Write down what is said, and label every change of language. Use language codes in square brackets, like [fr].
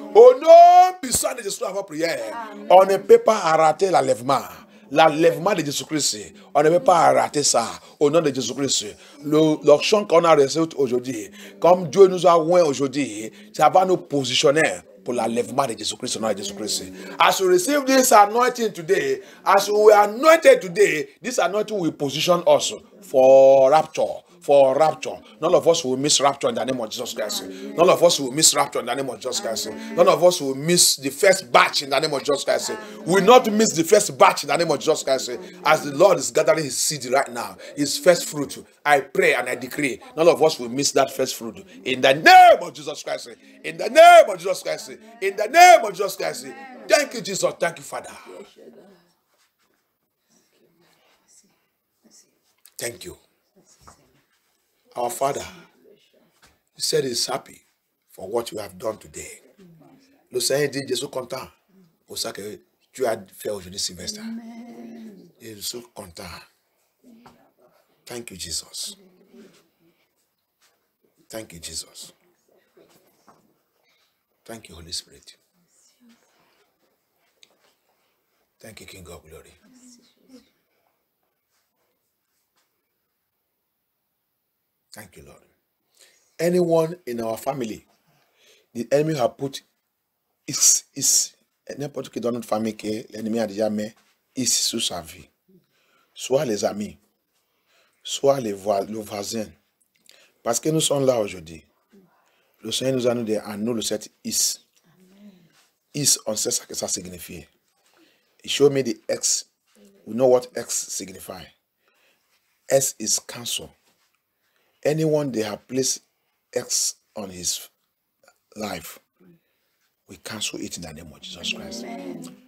[fr] Au nom puissant de Jésus-Christ, à votre prière, on ne peut pas arrêter l'enlèvement. L'enlèvement de Jésus-Christ, on ne peut pas rater ça au nom de Jésus-Christ. Le chant qu'on a reçu aujourd'hui, comme Dieu nous a oint aujourd'hui, ça va nous positionner pour l'enlèvement de Jésus-Christ au nom de Jésus-Christ. [en] As we receive this anointing today, as we are anointed today, this anointing will position us for rapture. For rapture. None of us will miss rapture in the name of Jesus Christ. None of us will miss rapture in the name of Jesus Christ. None of us will miss the first batch in the name of Jesus Christ. Will not miss the first batch in the name of Jesus Christ. As the Lord is gathering his seed right now, his first fruit, I pray and I decree, none of us will miss that first fruit. In the name of Jesus Christ. In the name of Jesus Christ. In the name of Jesus Christ. Thank you, Jesus. Thank you, Father. Thank you. Our Father, He said He's happy for what you have done today. [fr] Le Seigneur dit, je suis content pour ce que tu as fait aujourd'hui, Sylvester. Je suis content. [en] Thank you, Jesus. Thank you, Jesus. Thank you, Holy Spirit. Thank you, King of Glory. Thank you, Lord. Anyone in our family, the enemy has put is [fr] n'importe qui dans notre famille que l'ennemi a déjà mis sous sa vie. Soit les amis, soit le voisin. Parce que nous sommes là aujourd'hui. Le Seigneur nous a donné à nous le cet is. Is, on sait ce que ça signifie. [en] He showed me the X. We know what X signifies. S is cancel. Anyone they have placed X on his life, we cancel it in the name of Jesus Christ. Amen.